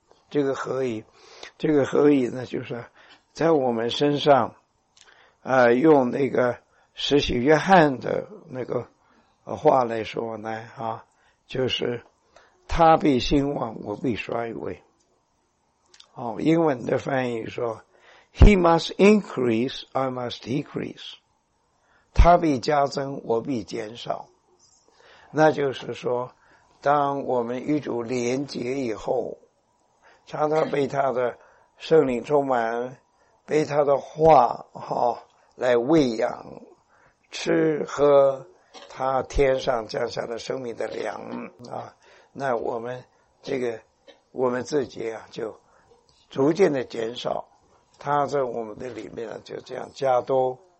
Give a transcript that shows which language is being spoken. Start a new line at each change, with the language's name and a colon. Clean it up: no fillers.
Chinese: 这个合一呢，就是在我们身上用那个使徒约翰的那个话来说呢啊，就是他必兴旺，我必衰微。哦，英文的翻译说
English: ,He must increase, I must decrease.
Chinese: 他必加增，我必减少。那就是说，当我们与主连结以后，常常被他的圣灵充满，被他的话哈、来喂养，吃喝他天上降下的生命的粮啊，那我们这个我们自己啊就逐渐的减少，他在我们的里面呢就这样加多，